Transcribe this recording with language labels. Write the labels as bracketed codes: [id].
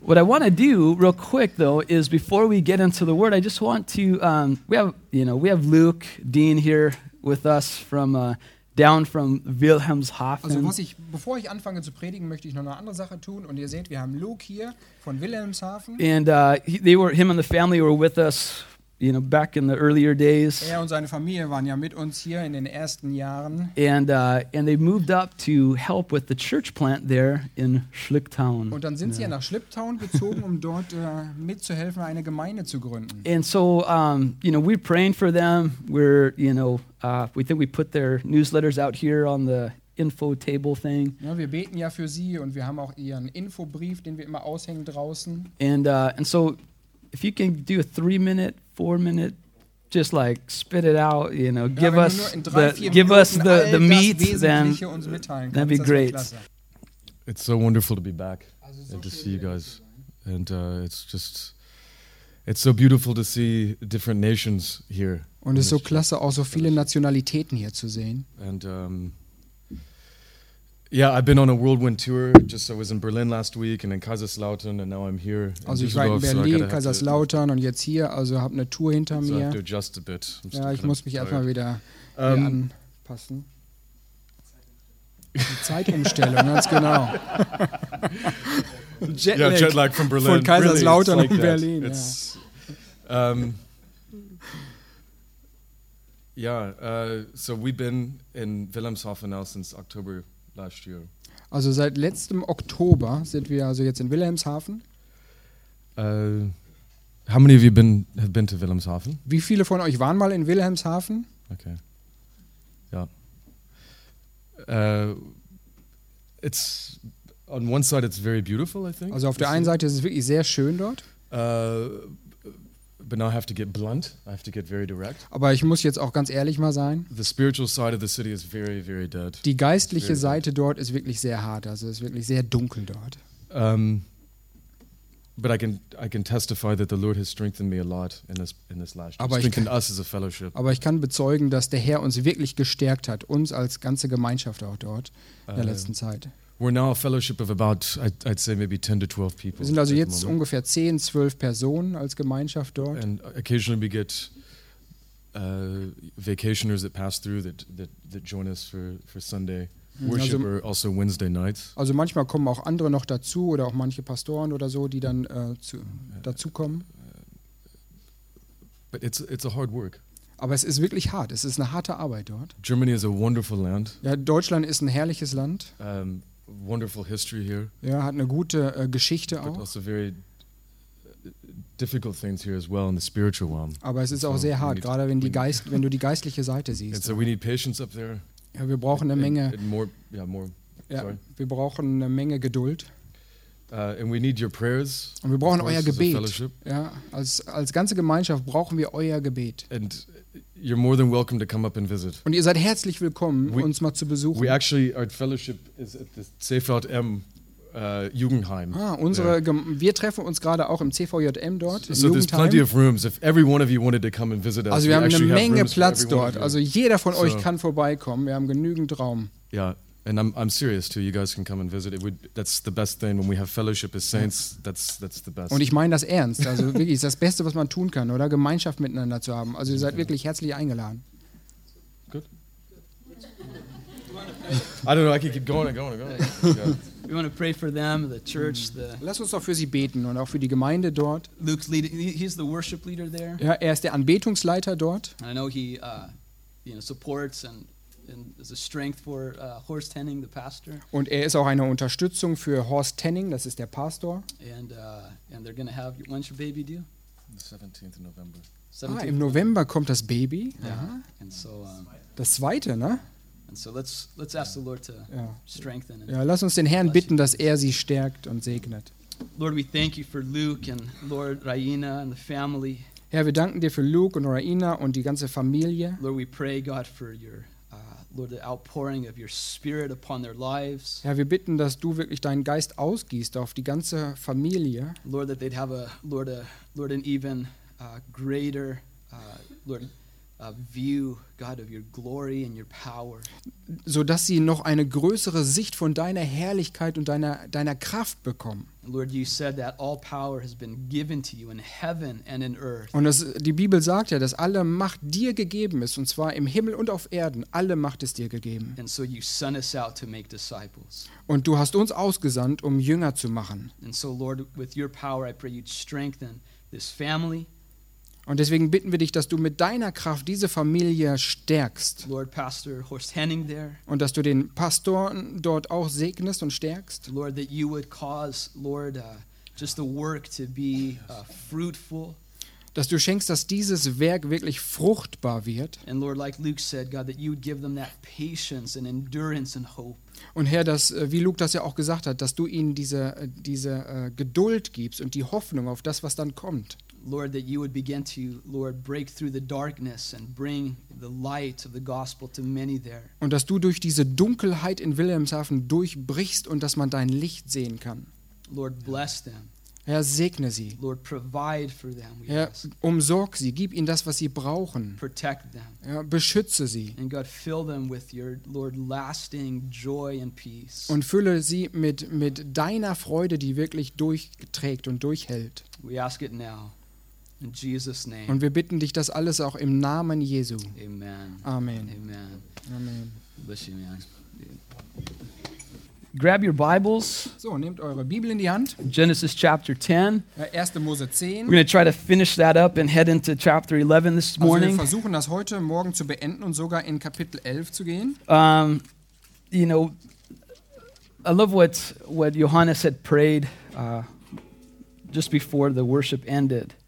[en] What I want to do real quick, though, is before we get into the word, I just want to, we have Luke Dean here with us from down from Wilhelmshaven. [de] Also, bevor ich anfange zu predigen, möchte ich noch eine andere Sache tun. Und ihr seht, wir haben Luke hier von Wilhelmshaven. [en] And him and the family were with us, you know, back in the earlier days. [de] Er und seine Familie waren ja mit uns hier in den ersten Jahren. [en] And they moved up to help with the church plant there in Schlicktown. [de] Und dann sind sie ja nach Schlicktown gezogen, um dort mitzuhelfen, eine Gemeinde zu gründen. [en] And so, we're praying for them. We're, we think we put their newsletters out here on the info table thing. [de] Ja, wir beten ja für sie und wir haben auch ihren Infobrief, den wir immer aushängen draußen. [en] And so, if you can do a 3-minute, 4-minute, just like spit it out, you know, give us the meat, then that'd be great. It's so wonderful to be back and to see you guys. And it's so beautiful to see different nations here. [de] Und es ist so klasse, auch so viele Nationalitäten hier zu sehen. [en] And yeah, I've been on a whirlwind tour. Just I was in Berlin last week and in Kaiserslautern and now I'm here. [de] Also ich war in Berlin, Kaiserslautern und jetzt hier, also habe eine Tour hinter mir. [en] So I have to adjust a bit. [de] Ja, ich muss mich erstmal wieder anpassen. Die Zeitumstellung, ganz genau. [en] Jetlag from Berlin. [de] Von Kaiserslautern und Berlin. [en] So we've been in Wilhelmshaven now since October. [de] Also seit letztem Oktober sind wir also jetzt in Wilhelmshaven. [en] How many of you have been to Wilhelmshaven? [de] Wie viele von euch waren mal in Wilhelmshaven? Okay. Ja. [en] It's on one side it's very beautiful, I think. [de] Also auf der einen Seite ist es wirklich sehr schön dort. [en] But now I have to get blunt. I have to get very direct. [de] Aber ich muss jetzt auch ganz ehrlich mal sein. [en] The spiritual side of the city is very, very dead. [de] Die geistliche Seite dort ist wirklich sehr hart. Also es ist wirklich sehr dunkel dort. [en] But I can testify that the Lord has strengthened me a lot in this last year. [de] Aber [en] strengthened us as a fellowship. [de] Aber ich kann bezeugen, dass der Herr uns wirklich gestärkt hat, uns als ganze Gemeinschaft auch dort in der letzten Zeit. [en] We're now a fellowship of about, I'd say maybe 10 to 12 people. [de] Wir sind also jetzt ungefähr 10, 12 Personen als Gemeinschaft dort. [en] And occasionally we get vacationers that pass through that join us for Sunday worship, also, or also Wednesday nights. [de] Also manchmal kommen auch andere noch dazu oder auch manche Pastoren oder so, die dann dazu kommen. [en] But it's a hard work. [de] Aber es ist wirklich hart. Es ist eine harte Arbeit dort. [en] Germany is a wonderful land. [de] Ja, Deutschland ist ein herrliches Land. [en] Wonderful history here. [de] Ja, hat eine gute Geschichte auch. [en] But also very difficult things here as well in the spiritual realm. [de] Aber es ist auch sehr hart, gerade wenn du die geistliche Seite siehst. [en] And so we need patience up there. [de] Ja, wir brauchen eine Menge. Wir brauchen eine Menge Geduld. [en] And we need your prayers. [de] Und wir brauchen euer Gebet. Ja, als ganze Gemeinschaft brauchen wir euer Gebet. [en] And you're more than welcome to come up and visit. [de] Und ihr seid herzlich willkommen, uns mal zu besuchen. [en] We actually, our fellowship is at the CVJM Jugendheim. [de] Ah, wir treffen uns gerade auch im CVJM dort. [en] So there's plenty of rooms. If every one of you wanted to come and visit us, [de] also wir haben eine Menge Platz dort. Also jeder von euch kann vorbeikommen. Wir haben genügend Raum. Ja. [en] And I'm serious too. You guys can come and visit. That's the best thing when we have fellowship as saints. That's the best. [de] Und ich meine das ernst. Also wirklich, ist das Beste, was man tun kann, oder? Gemeinschaft miteinander zu haben. Also ihr seid wirklich herzlich eingeladen. [en] Good. I don't know. I can keep going. We want to pray for them, the church. The [de] Lass uns doch für sie beten und auch für die Gemeinde dort. [en] Luke's he's the worship leader there. [de] Ja, er ist der Anbetungsleiter dort. [en] And I know he, supports and. And is a strength for Horst Henning, the pastor. [de] Und er ist auch eine Unterstützung für Horst Henning, das ist der Pastor. [en] And they're going to have, when's your baby due? The 17th of November. [de] Im November kommt das Baby. [en] Yeah. And so, [de] das zweite, ne? [en] And so let's ask the Lord to strengthen. [de] Ja, lass uns den Herrn bitten, dass er sie stärkt und segnet. [en] Lord, we thank you for Luke and Lord Raina and the family. [de] Herr, wir danken dir für Luke und Raina und die ganze Familie. [en] Lord, we pray, God, for your Lord, the outpouring of your spirit upon their lives. [de] Ja, wir bitten, dass du wirklich deinen Geist ausgießt auf die ganze Familie. [en] Lord, that they'd have a Lord an even greater Lord view, God, of your glory and your power. [de] So dass sie noch eine größere Sicht von deiner Herrlichkeit und deiner Kraft bekommen. [en] Lord, you said that all power has been given to you in heaven and in earth. [de] Und die Bibel sagt ja, dass alle Macht dir gegeben ist, und zwar im Himmel und auf Erden. Alle Macht ist dir gegeben. [en] And so you sent us out to make disciples. [de] Und du hast uns ausgesandt, um Jünger zu machen. [en] And so, Lord, with your power, I pray you'd strengthen this family. [de] Und deswegen bitten wir dich, dass du mit deiner Kraft diese Familie stärkst. [en] Lord, Pastor Horst Henning there. [de] Und dass du den Pastor dort auch segnest und stärkst. [en] Lord, that you would cause, Lord, just the work to be fruitful. [de] Dass du schenkst, dass dieses Werk wirklich fruchtbar wird. [en] And Lord, like Luke said, God, that you would give them that patience and endurance and hope. [de] Und Herr, dass, wie Luke das ja auch gesagt hat, dass du ihnen diese Geduld gibst und die Hoffnung auf das, was dann kommt. [en] Lord, that you would begin to, Lord, break through the darkness and bring the light of the gospel to many there. [de] Und dass du durch diese Dunkelheit in Wilhelmshaven durchbrichst und dass man dein Licht sehen kann. [en] Lord, bless them. [de] Herr, segne sie. [en] Lord, provide for them. [de] Herr, umsorg sie. Gib ihnen das, was sie brauchen. [en] Protect them. [de] Ja, beschütze sie. [en] And God, fill them with your, Lord, lasting joy and peace. [de] Und fülle sie mit deiner Freude, die wirklich durchträgt und durchhält. [en] We ask it now. In Jesus' name. [de] Und wir bitten dich das alles auch im Namen Jesu. Amen. Amen. Amen. Amen. [en] Bless you, man. Grab your Bibles. [de] So, nehmt eure Bibel in die Hand. [en] Genesis chapter 10. [de] Ja, 1. Mose 10. [en] We're going to try to finish that up and head into chapter 11 this morning. [de] Also wir versuchen das heute morgen zu beenden und sogar in Kapitel 11 zu gehen. [en] You know, I love what Johannes had prayed just before the worship ended.